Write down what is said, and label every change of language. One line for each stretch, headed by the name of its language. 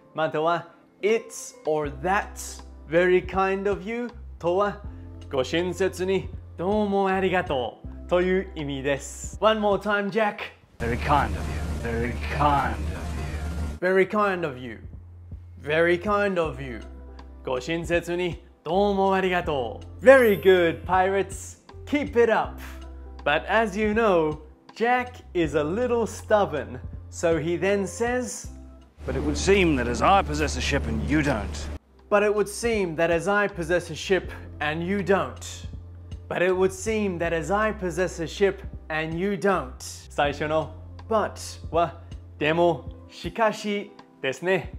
Japanese: または
English: It's or that's very kind of you
Japanese: とはご親切にどうもありがとうという意味です。
English: One more time, Jack. Very kind of you. Very kind of you. Very kind of you. Very kind of you.
Japanese: ご親切にどうもありがとう。
English: Very good, pirates. Keep it up. But as you know, Jack is a little stubborn. So he then says, But it would seem that as I possess a ship and you don't. But it would seem that as I possess a ship and you don't. But it would seem that as I possess a ship and you don't.
Japanese: 最初の but はでもしかしですね。